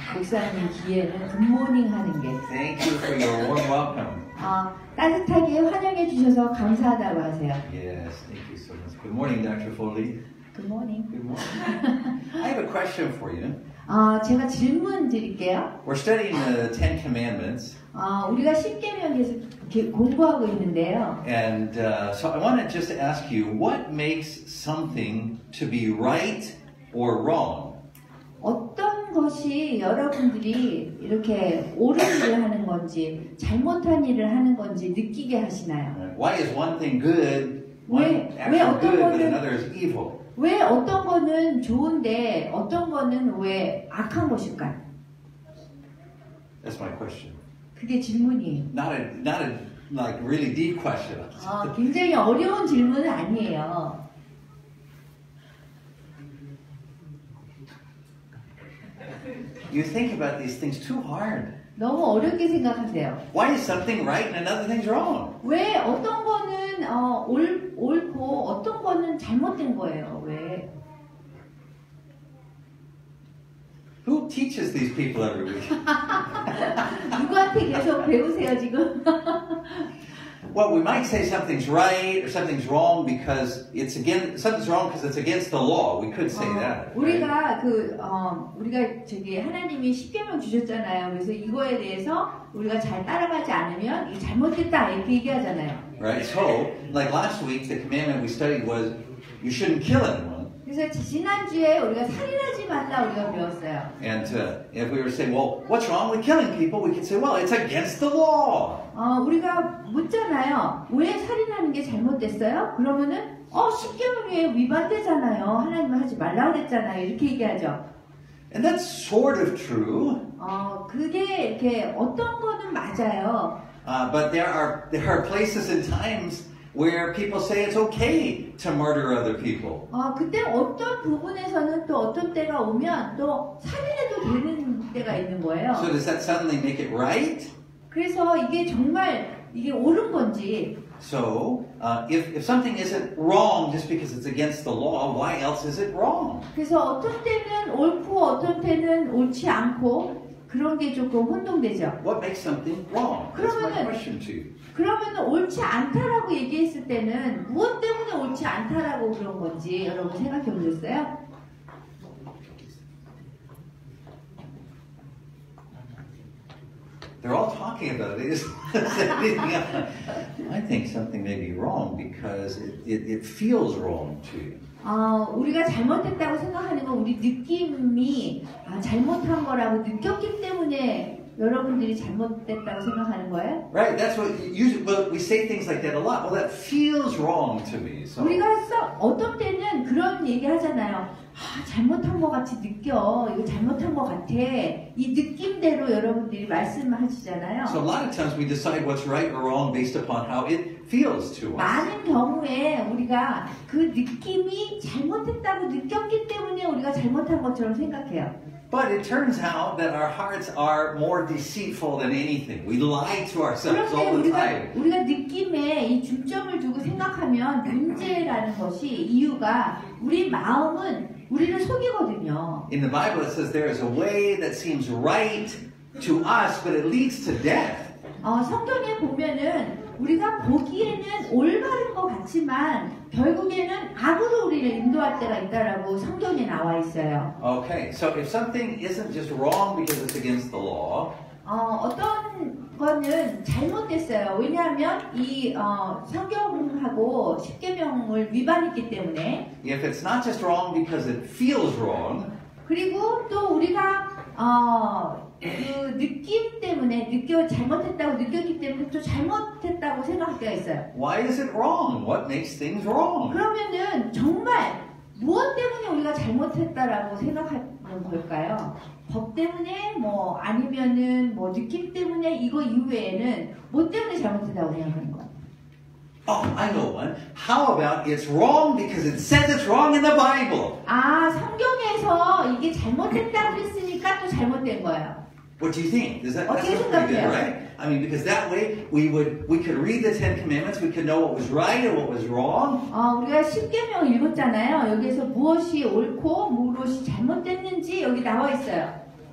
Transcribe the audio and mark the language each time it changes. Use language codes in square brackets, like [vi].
[ko] 목사님 귀에는 굿모닝 하는 게. [en] Thank you for your warm welcome. [ko] 따뜻하게 환영해 주셔서 감사하다고 하세요. [en] Yes, thank you so much. Good morning, Dr. Foley. Good morning. Good morning. I have a question for you. [ko] 제가 질문 드릴게요. [en] We're studying the Ten Commandments. [ko] 우리가 십계명에서 공부하고 있는데요. [en] And so I want to just ask you, what makes something to be right or wrong? [ko] 어떤 것이 여러분들이 이렇게 옳은 일을 하는 건지 잘못한 일을 하는 건지 느끼게 하시나요? [en] Why is one thing good? Why actually good, but another is evil? [ko] 왜 어떤 거는 좋은데 어떤 거는 왜 악한 것일까요? [en] That's my question. [ko] 그게 질문이에요. [en] Not a like really deep question. [ko] 굉장히 어려운 질문은 아니에요. [en] You think about these things too hard. [ko] 너무 어렵게 생각하세요. [en] Why is something right and another thing wrong? [ko] 왜 어떤 거는 옳고 어떤 거는 잘못된 거예요? 왜? [en] Who teaches these people every week? [ko] 누구한테 계속 배우세요 지금? [en] Well, we might say something's right or something's wrong because it's against something's wrong because it's against the law. We could say that. [ko] 우리가 [en] right? [ko] 우리가 저기 하나님이 십계명 주셨잖아요. 그래서 이거에 대해서 우리가 잘 따라가지 않으면 이 잘못됐다 이렇게 얘기하잖아요. [en] Right. So, like last week, the commandment we studied was you shouldn't kill anyone. [ko] 그래서 지난주에 우리가 살인하지 말라 우리가 배웠어요. [en] And if we were saying, well, what's wrong with killing people? We could say, well, it's against the law. [ko] 우리가 묻잖아요. 왜 살인하는 게 잘못됐어요? 그러면은 십계명에 위반되잖아요. 하나님 하지 말라 그랬잖아요. 이렇게 얘기하죠. [en] And that's sort of true. [ko] 그게 이렇게 어떤 거는 맞아요. [en] But there are places and times where people say it's okay to murder other people. [ko] 그때 어떤 부분에서는 또 어떤 때가 오면 또 살인해도 되는 때가 있는 거예요. [en] So does that suddenly make it right? [ko] 그래서 이게 정말 이게 옳은 건지. [en] So, if something isn't wrong just because it's against the law, why else is it wrong? [ko] 그래서 어떤 때는 옳고 어떤 때는 옳지 않고 그런 게 조금 혼동되죠. [en] What makes something wrong? [ko] 그러면은, [en] That's my question to you. [ko] 그러면은 옳지 않다라고 얘기했을 때는 무엇 때문에 옳지 않다라고 그런 건지 여러분 생각해 보셨어요? [en] They're all talking about it. I think something may be wrong because it feels wrong to you. [ko] 우리가 잘못했다고 생각하는 건 우리 느낌이 잘못한 거라고 느꼈기 때문에 여러분들이 잘못됐다고 생각하는 거예요? [en] Right. That's what we say things like that a lot. Well, that feels wrong to me. So. [ko] 우리가 어떤 때는 그런 얘기 하잖아요. 잘못한 것 같이 느껴. 이거 잘못한 것 같아. 이 느낌대로 여러분들이 말씀하시잖아요. [en] So a lot of times we decide what's right or wrong based upon how it feels to us. [ko] 많은 경우에 우리가 그 느낌이 잘못했다고 느꼈기 때문에 우리가 잘못한 것처럼 생각해요. [en] But it turns out that our hearts are more deceitful than anything. We lie to ourselves all the time. [ko] 우리가 느낌에 이 중점을 두고 생각하면 문제라는 것이 이유가 우리 마음은 우리를 속이거든요. [en] In the Bible it says there is a way that seems right to us, but it leads to death. [ko] 성경에 보면은 우리가 보기에는 올바른 것 같지만 결국에는 악으로 우리를 인도할 때가 있다라고 성경에 나와 있어요. [en] Okay, so if something isn't just wrong because it's against the law. [ko] 어떤 거는 잘못됐어요. 왜냐하면 이 성경하고 십계명을 위반했기 때문에. [en] If it's not just wrong because it feels wrong. [ko] 그리고 또 우리가 그 느낌 때문에 잘못했다고 느꼈기 때문에 또 잘못했다고 생각할 때가 있어요. [en] Why is it wrong? What makes things wrong? [ko] 그러면은 정말 무엇 때문에 우리가 잘못했다라고 생각하는 걸까요? 법 때문에 뭐 아니면은 뭐 느낌 때문에 이거 이외에는 뭐 때문에 잘못했다고 생각하는 거? [en] Oh, I know one. How about it's wrong because it says it's wrong in the Bible? 성경에서 이게 잘못했다고 했으니까 또 잘못된 거예요. What do you think? Does that sound pretty good, right? I mean, because that way we could read the Ten Commandments, we could know what was right and what was wrong. [ko] 우리가 십계명 읽었잖아요. 여기에서 무엇이 옳고 무엇이 잘못 잘못됐는지 여기 나와 있어요.